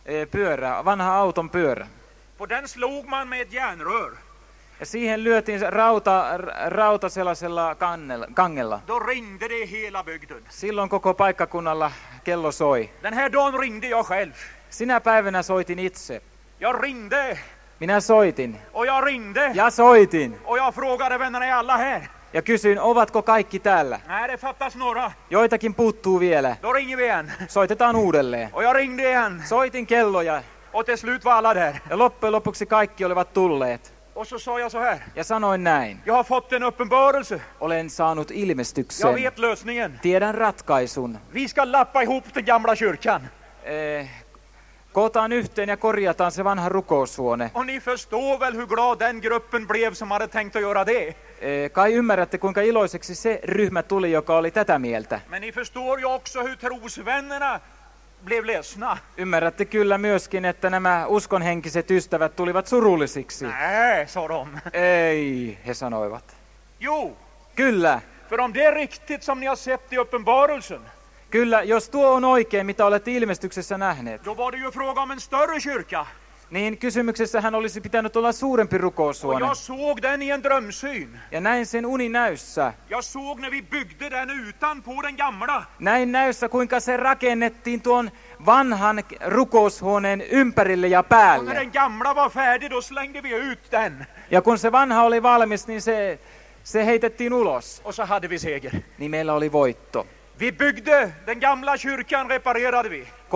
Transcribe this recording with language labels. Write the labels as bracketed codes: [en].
[fi] Pyörä, vanha auton pyörä. [sv] På den slog man med ett järnrör. [fi] Ja siihen lyötiin rauta sellaisella kangella. [sv] Då ringde det hela bygden. [fi] Silloin koko paikkakunnalla kello soi. [sv] Den här dagen ringde jag själv. [fi] Sinä päivänä soitin itse. [sv] Jag ringde. [fi] Minä soitin. [sv] Och jag ringde. [fi] Ja soitin. [sv] Och jag frågade vännerna, är alla här? [fi] Ja kysyin, ovatko kaikki täällä? [sv] Nej, det fattas några. [fi] Joitakin puuttuu vielä. [sv] Då ringer vi igen. [fi] Soitetaan uudelleen. [sv] Och jag ringde igen. [fi] Soitin kelloja. [sv] Och till slut var alla där. [fi] Loppujen lopuksi kaikki olivat tulleet. [sv] Och så sa jag så här. [fi] Jag sanoin näin. [sv] Jag har fått en uppenbarelse. [fi] Olen saanut ilmestyksen. [sv] Jag vet lösningen. [fi] Tiedän ratkaisun. [sv] Vi ska lappa ihop den gamla kyrkan. [fi] Kootaan yhteen ja korjataan se vanha rukoushuone. [sv] Och ni förstår väl hur glad den gruppen blev som hade tänkt att göra det. [fi] Kai ymmärrätte, kuinka iloiseksi se ryhmä tuli, joka oli tätä mieltä. [sv] Men ni förstår ju också hur trosvännerna blev ledsna. [fi] Ymmärrätte kyllä myöskin, että nämä uskonhenkiset ystävät tulivat surullisiksi. [sv] Nej, sa de. [fi] Ei, he sanoivat. [sv] Jo. [fi] Kyllä. [sv] För om det är riktigt som ni har sett i uppenbarelsen. [fi] Kyllä, jos tuo on oikein, mitä olette ilmestyksessä nähneet. [sv] Då var det ju fråga om en större kyrka. [fi] Niin kysymyksessä hän olisi pitänyt olla suurempi rukoushuone. [sv] Jag såg den i en drömsyn. [fi] Ja näin sen uninäyssä. [sv] Jag såg när vi byggde den utanpå den gamla. [fi] Näin näyssä, kuinka se rakennettiin tuon vanhan rukoushuoneen ympärille ja päälle. [sv] Och när den gamla var färdig, då slängde vi ut den. [fi] Ja kun se vanha oli valmis, niin se heitettiin ulos. [sv] Och så hade vi seger. [fi] Niin meillä oli voitto. [sv] Vi byggde den gamla kyrkan, reparerade vi.